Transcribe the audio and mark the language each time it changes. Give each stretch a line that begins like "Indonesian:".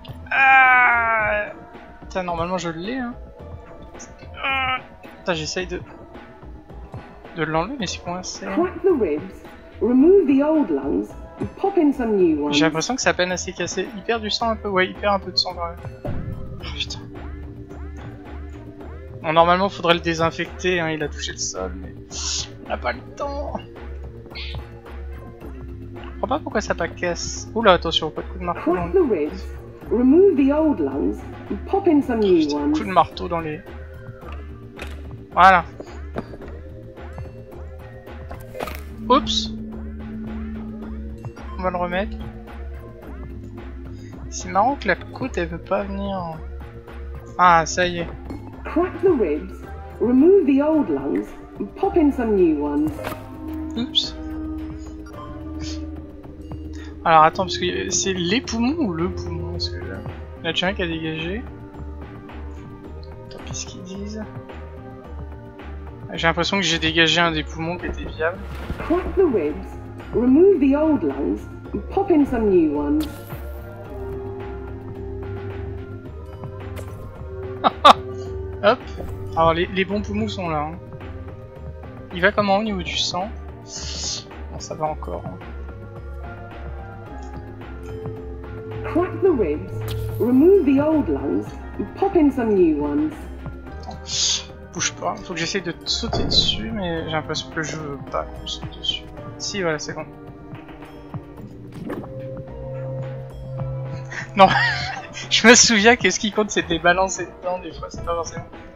French: Ah! Normalement je l'ai, hein. Putain, j'essaye de l'enlever, mais c'est coincé.
English: Crack the ribs, remove the old lungs, and pop in some new ones.
French: J'ai l'impression que ça peine à s'écasser. Il perd du sang un peu, ouais, il perd un peu de sang quand même. Oh, putain. Bon, normalement, faudrait le désinfecter, hein, il a touché le sol, mais. On n'a pas le temps. Je comprends pas pourquoi ça pas casse. Oula, attention, pas de coup de marteau.
English: Crack the ribs, remove the old lungs, and pop in some new ones.
French: Coup de marteau dans les. Voilà. Oups! On va le remettre. C'est marrant que la côte elle veut pas venir. Ah, ça y est.
English: Crack the ribs, remove the old lungs, and pop in some new ones.
French: Oups! Alors attends, parce que c'est les poumons ou le poumon? Parce que là, il y a quelqu'un qui a dégagé. Attends, qu'est-ce qu'ils disent? J'ai l'impression que j'ai dégagé un des poumons qui était viable.
English: Crack the ribs, remove the old lungs, and pop in some new ones.
French: Hop. Alors les bons poumons sont là. Hein. Il va comment au niveau du sang? Bon, ça va encore. Hein.
English: Crack the ribs, remove the old lungs, and pop in some new ones.
French: Bouge pas, faut que j'essaye de sauter dessus, mais j'ai l'impression que je veux pas qu'on saute dessus. Si, voilà, c'est bon. Non, je me souviens que ce qui compte c'est de les balancer dedans des fois, c'est pas forcément.